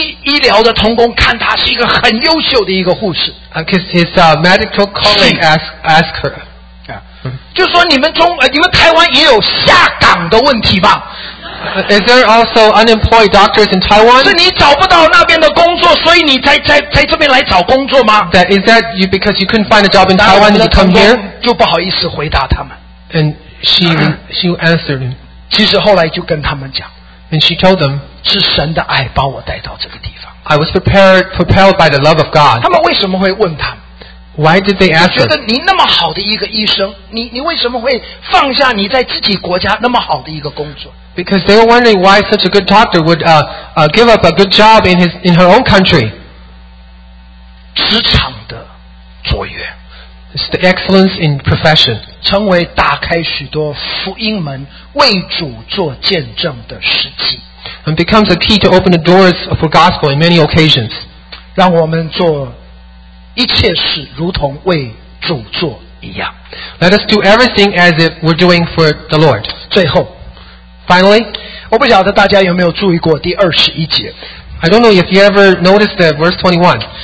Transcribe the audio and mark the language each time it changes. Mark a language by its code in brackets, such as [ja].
[zh] 医疗的同工看他是一个很优秀的一个护士, [en] because his medical colleague asked her, yeah. [zh] 就说你们中, 你们台湾也有下岗的问题吧? [en] Is there also unemployed doctors in Taiwan? [zh] 是你找不到那边的工作，所以你在这边来找工作吗？ [en] That is that you because you couldn't find a job in Taiwan that you come here? [zh] 就不好意思回答他们。 [en] And she answered him. [zh] 其实后来就跟他们讲。 [en] And she told them. [zh] 是神的爱把我带到这个地方。 [en] I was propelled by the love of God. [zh] 他们为什么会问他们？ [en] Why did they ask her? [zh] 你觉得你那么好的一个医生，你为什么会放下你在自己国家那么好的一个工作？ [en] Because they were wondering why such a good doctor would give up a good job in his in her own country. [zh] 职场的卓越。 [en] It's the excellence in profession. [zh] 成为打开许多福音门为主做见证的时机。 [en] And becomes a key to open the doors for gospel in many occasions. [zh] 让我们做一切事如同为主做一样。 [en] Let us do everything as if we're doing for the Lord. [zh] 最后, [en] finally, [zh] 我不晓得大家有没有注意过第21节。 [en] I don't know if you ever noticed that verse 21.